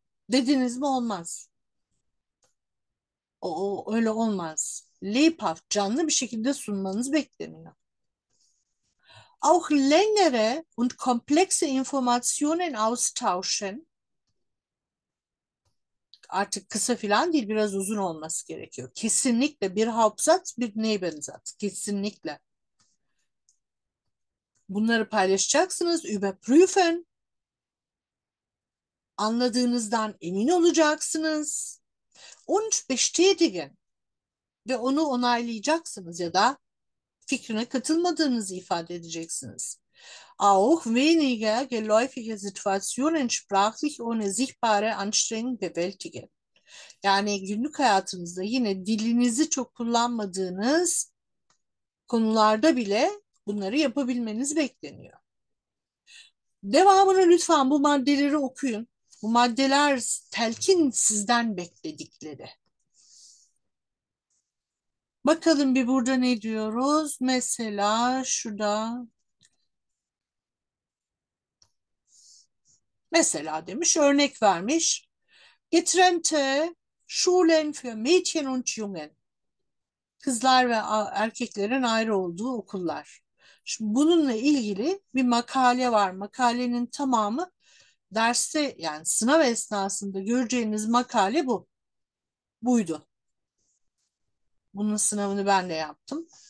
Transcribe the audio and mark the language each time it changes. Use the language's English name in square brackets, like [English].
[Turkish] Dediniz mi olmaz. O öyle olmaz. Leap aft canlı bir şekilde sunmanız bekleniyor. [German] Auch längere und komplexe Informationen austauschen. [Turkish] Artık kısa filan değil, biraz uzun olması gerekiyor. Kesinlikle bir Hauptsatz, bir Nebensatz. Kesinlikle. Bunları paylaşacaksınız, überprüfen. Anladığınızdan emin olacaksınız. [German] Und bestätigen. [Turkish] Ve onu onaylayacaksınız ya da fikrine katılmadığınızı ifade edeceksiniz. [German] Auch weniger geläufige Situationen sprachlich ohne sichtbare Anstrengung bewältigen. [Turkish] Yani günlük hayatınızda yine dilinizi çok kullanmadığınız konularda bile bunları yapabilmeniz bekleniyor. Devamını lütfen bu maddeleri okuyun. Bu maddeler telkin sizden bekledikleri. Bakalım bir burada ne diyoruz? Mesela şurada. Mesela demiş, örnek vermiş. [German] Getrennte Schulen für Mädchen und Jungen. [Turkish] Kızlar ve erkeklerin ayrı olduğu okullar. Şimdi bununla ilgili bir makale var. Makalenin tamamı derste, yani sınav esnasında göreceğiniz makale bu. Buydu. Bunun sınavını ben de yaptım.